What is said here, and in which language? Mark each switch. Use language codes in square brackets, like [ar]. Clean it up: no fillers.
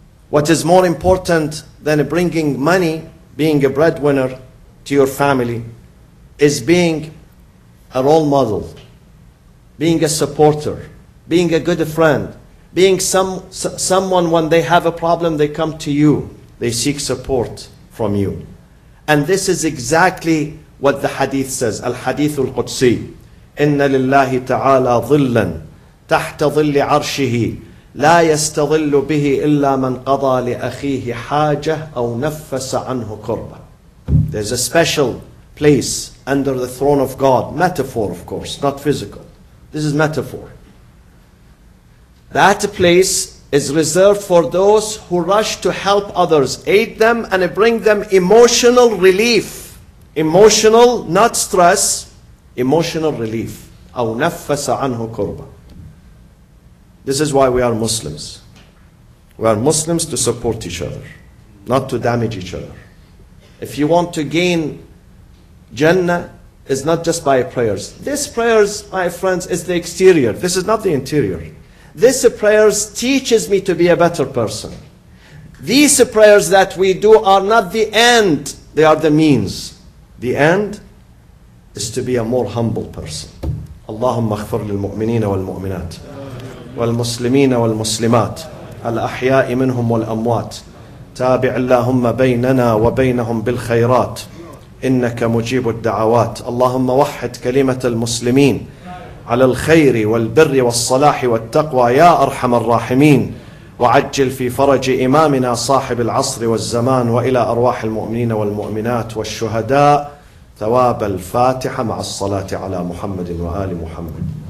[en] What is more important than bringing money, being a breadwinner to your family, is being a role model, being a supporter, being a good friend, being someone when they have a problem, they come to you, they seek support from you. And this is exactly what the hadith says, al-hadith al-Qudsi. [ar] إِنَّ لِلَّهِ تَعَالَى ظِلًّا تَحْتَ ظِلِّ عَرْشِهِ لا يستظل به إلا من قضى لأخيه حاجة أو نفس عنه كربة. [en] There's a special place under the throne of God. Metaphor, of course, not physical. This is metaphor. That place is reserved for those who rush to help others, aid them, and bring them emotional relief. Emotional, not stress. Emotional relief. [ar] أو نفس عنه كربة. [en] This is why we are Muslims. We are Muslims to support each other, not to damage each other. If you want to gain Jannah, it's not just by prayers. These prayers, my friends, is the exterior. This is not the interior. These prayers teaches me to be a better person. These prayers that we do are not the end. They are the means. The end is to be a more humble person. [ar] Allahumma ighfir lil mu'minin wal mu'minat. والمسلمين والمسلمات الأحياء منهم والأموات تابع اللهم بيننا وبينهم بالخيرات إنك مجيب الدعوات اللهم وحد كلمة المسلمين على الخير والبر والصلاح والتقوى يا أرحم الراحمين وعجل في فرج إمامنا صاحب العصر والزمان وإلى أرواح المؤمنين والمؤمنات والشهداء ثواب الفاتحة مع الصلاة على محمد وآل محمد